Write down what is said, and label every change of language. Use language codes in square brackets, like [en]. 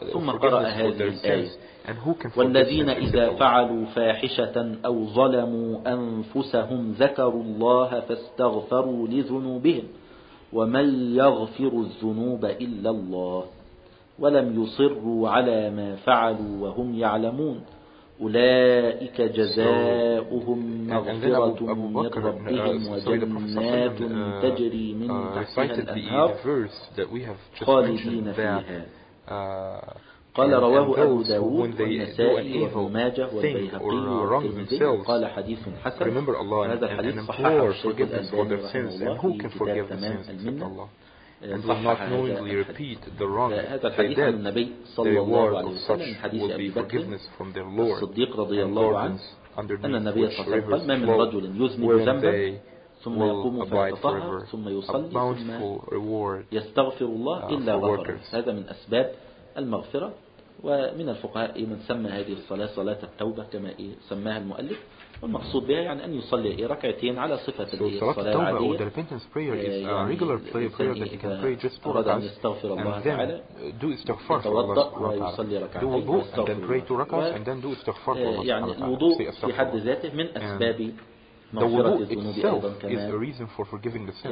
[ar] ثم قرأ هذه الآية والذين إذا فعلوا فاحشة أو ظلموا أنفسهم ذكروا الله فاستغفروا لذنوبهم ومن يغفر الذنوب إلا الله ولم يصروا على ما فعلوا وهم يعلمون أولئك جزاؤهم مغفرة من ربهم وجنات تجري من تحتها الأنهار خالدين فيها. قال رواه أبو داود والنسائي وماجة والبيهقي والترمذي قال حديث حسن. هذا الحديث صحيح الشيخ الألباني رحمه الله في كتاب تمام المنة [en] and will not knowingly repeat the wrong they did, [ar] النبي صلى الله عليه وسلم حديث أبي بكر [en] from their Lord [ar] الصديق رضي الله عنه أن النبي صلى الله عليه وسلم ما من رجل يذنب ذنبا ثم يقوم فيتطهر ثم يصلي ثم يستغفر الله إلا غفر. هذا من أسباب المغفرة ومن الفقهاء من سمى هذه الصلاة صلاة التوبة كما سماها المؤلف والمقصود بها يعني أن يصلي ركعتين على صفة الصلاة العادية. [en] The repentance prayer is a regular prayer that you can pray just two rakahs and then do istighfar for Allah subhanahu wa ta'ala. Do wudu and then pray two rakahs and then do istighfar for Allah subhanahu wa ta'ala. The wudu itself is a reason for forgiving the sins.